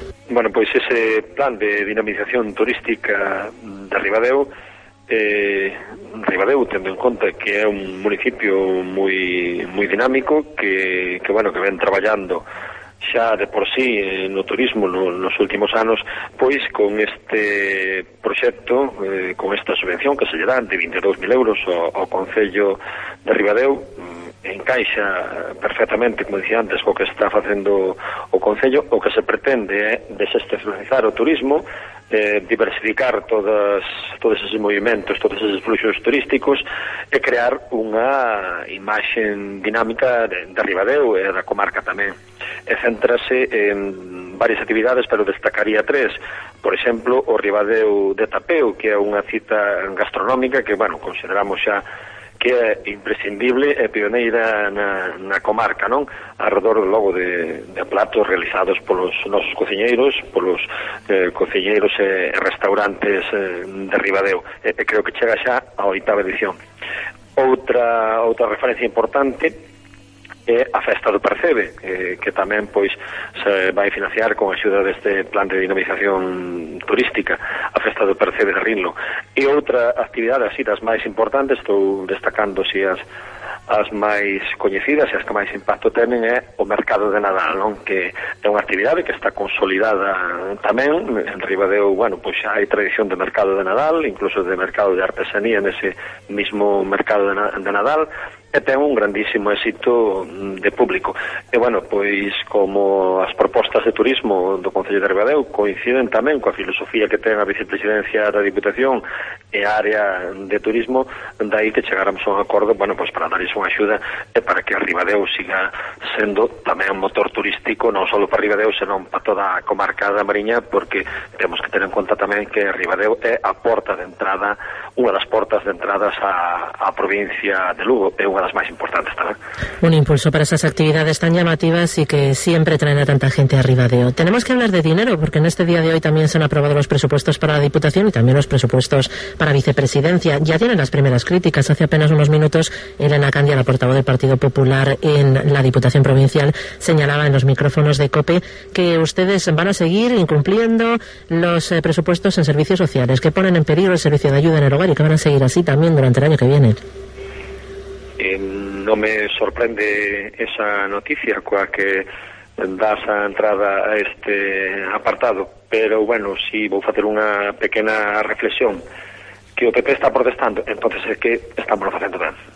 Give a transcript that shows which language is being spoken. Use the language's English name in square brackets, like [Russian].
[Galician] Bueno, pues ese plan de dinamización turística de Ribadeo, Ribadeo teniendo en cuenta que es un municipio muy muy dinámico, que bueno, que ven trabajando xa de por sí no turismo nos últimos anos, pois con este proxecto, con esta subvención que se lle dan de 22.000 euros ao Concello de Ribadeo, encaixa perfectamente, como dicía antes, co que está facendo o Concello. O que se pretende é desestacionalizar o turismo, diversificar todos esos movimentos, todos esos fluxos turísticos, e crear unha imaxe dinámica de Ribadeo e da comarca tamén. E céntrase en varias actividades, pero destacaría tres. Por exemplo, o Ribadeo de Tapeu, que é unha cita gastronómica que, bueno, consideramos xa que é imprescindible e pioneira na comarca, non? Arredor logo de platos realizados polos nosos cociñeiros, polos cociñeiros e restaurantes de Ribadeo. Creo que chega xa a 8ª edición. Outra referencia importante é a Festa do Percebe, que tamén pois se vai financiar con axuda deste plan de dinamización turística, a Festa do Percebe de Rinlo. E outra actividade así das máis importantes, estou destacando si as máis coñecidas e as que máis impacto teñen, é o Mercado de Nadal, non? Que é unha actividade que está consolidada tamén en Ribadeo. Bueno, pois xa hai tradición de Mercado de Nadal, incluso de Mercado de Artesanía nese mismo Mercado de Nadal, e ten un grandísimo éxito de público. E bueno, pois como as propostas de turismo do Concello de Ribadeo coinciden tamén coa filosofía que ten a vicepresidencia da Diputación e a área de turismo, dai que chegáramos a un acordo, bueno, pois para darles unha axuda e para que Ribadeo siga sendo tamén un motor turístico, non só para Ribadeo, senón para toda a comarca da Mariña, porque temos que tener en conta tamén que Ribadeo é a porta de entrada, unha das portas de entradas á provincia de Lugo, é unha das máis importantes tamén. [Spanish] Un impulso para esas actividades tan llamativas e que sempre traen a tanta gente a Ribadeo. Tenemos que hablar de dinero, porque en este día de hoy tamén se han aprobado los presupuestos para a Diputación e tamén os presupuestos para vicepresidencia. Ya tienen las primeras críticas. Hace apenas unos minutos, Elena Candia, la portavoz del Partido Popular, en la Diputación Provincial señalaba en los micrófonos de COPE que ustedes van a seguir incumpliendo los presupuestos en servicios sociales, que ponen en peligro el servicio de ayuda en el hogar y que van a seguir así también durante el año que viene. No me sorprende esa noticia cua que das a entrada a este apartado, [Galician] pero bueno, si vou facer unha pequena reflexión, que o PP está protestando, entonces é que estámoslo facendo ben.